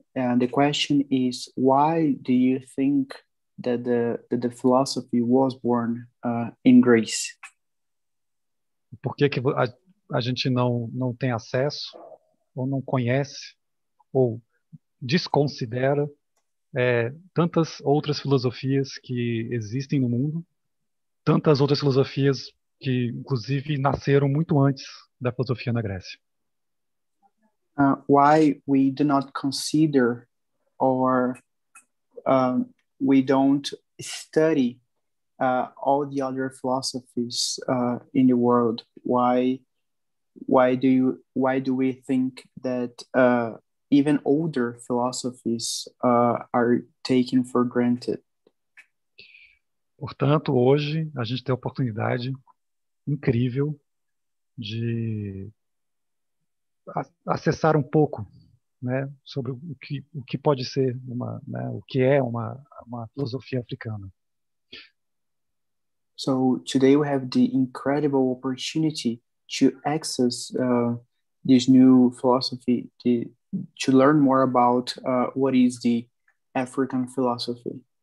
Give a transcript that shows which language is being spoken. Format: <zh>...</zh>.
<en>And the question is, why do you think that the philosophy was born in Greece?</en> <pt>Por que que a gente não tem acesso ou não conhece? Ou desconsidera tantas outras filosofias que existem no mundo, tantas outras filosofias que, inclusive, nasceram muito antes da filosofia na Grécia.</pt> <en>Why we do not consider or we don't study all the other philosophies in the world. Why do we think that even older philosophies are taken for granted?</en> <pt>Portanto, hoje a gente tem a oportunidade incrível de acessar um pouco, né, sobre o que pode ser uma, né, o que é uma filosofia africana.</pt> <en>So today we have the incredible opportunity to access this new philosophy, to learn more about what is the African philosophy.</en>